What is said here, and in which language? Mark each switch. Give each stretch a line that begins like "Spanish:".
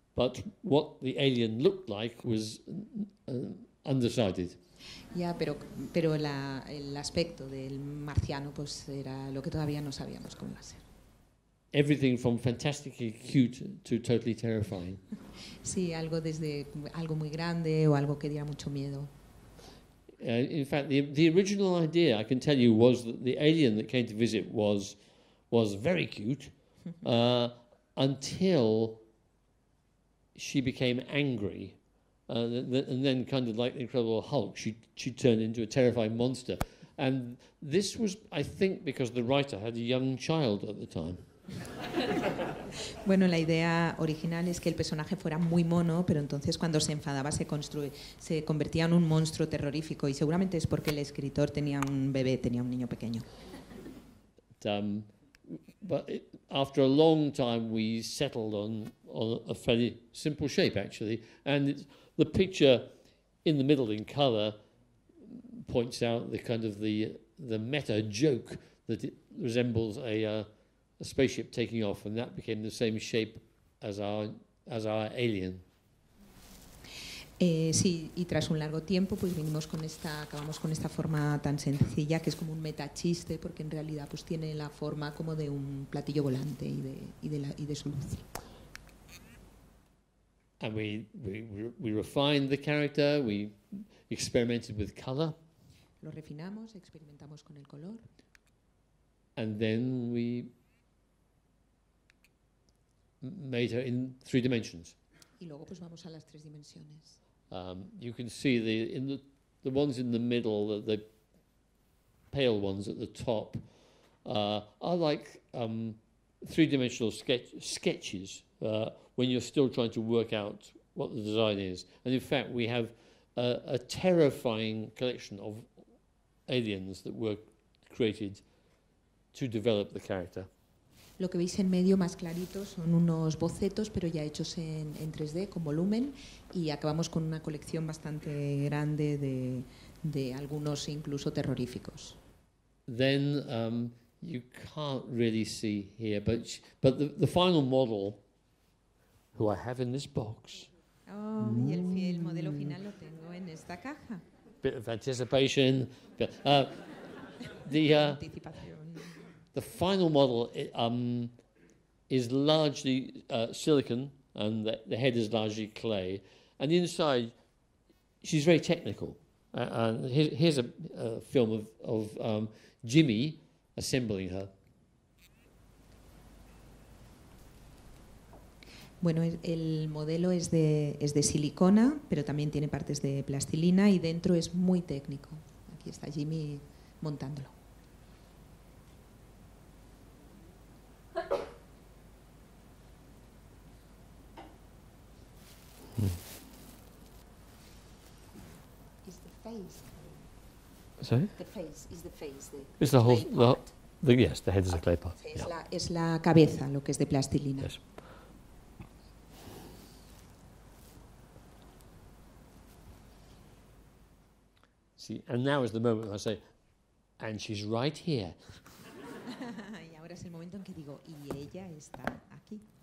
English: But what the alien looked like was undecided.
Spanish: Ya, pero el aspecto del marciano pues era lo que todavía no sabíamos cómo iba a ser.
English: Everything from fantastically cute to totally terrifying.
Spanish: Sí, algo desde algo muy grande o algo que diera mucho miedo.
English: In fact, the original idea, I can tell you, was that the alien that came to visit was very cute until she became angry. And then kind of like the Incredible Hulk, she turned into a terrifying monster. And this was, I think, because the writer had a young child at the time.
Spanish: Bueno, la idea original es que el personaje fuera muy mono, pero entonces cuando se enfadaba se convertía en un monstruo terrorífico, y seguramente es porque el escritor tenía un bebé, tenía un niño pequeño.
English: But after a long time we settled on a fairly simple shape actually, and it's, the picture in the middle in color points out the kind of the meta joke that it resembles a spaceship taking off, and that became the same shape as our alien.
Spanish: Sí, y tras un largo tiempo, pues vinimos con esta, acabamos con esta forma tan sencilla, que es como un metachiste, porque en realidad pues tiene la forma como de un platillo volante y de su luz.
English: And we refined the character, we experimented with color.
Spanish: Lo refinamos, experimentamos con el color.
English: And then we made her in three dimensions.
Spanish: Y luego pues vamos a las tres dimensiones.
English: You can see the ones in the middle, the pale ones at the top, are like three-dimensional sketches when you're still trying to work out what the design is. And in fact, we have a terrifying collection of aliens that were created to develop the character.
Spanish: Lo que veis en medio más clarito son unos bocetos, pero ya hechos en 3D, con volumen, y acabamos con una colección bastante grande de algunos incluso terroríficos.
English: Then you can't really see here, but the final model, who I have in this box.
Spanish: Oh, y el modelo final lo tengo en esta caja.
English: Bit of anticipation.
Spanish: Anticipación.
English: The final model is largely silicon, and the head is largely clay. And inside, she's very technical. And here's a film of Jimmy assembling her.
Spanish: Bueno, el modelo es de silicona, pero también tiene partes de plastilina, y dentro es muy técnico. Aquí está Jimmy montándolo.
English: Is the face? Sorry. The face is the face. It's the whole. Yes, the head is a clay pot.
Spanish: Es la cabeza, lo que es de plastilina.
English: Yes. See, and now is the moment when I say, and she's right here.
Spanish: Es el momento en que digo, y ella está aquí.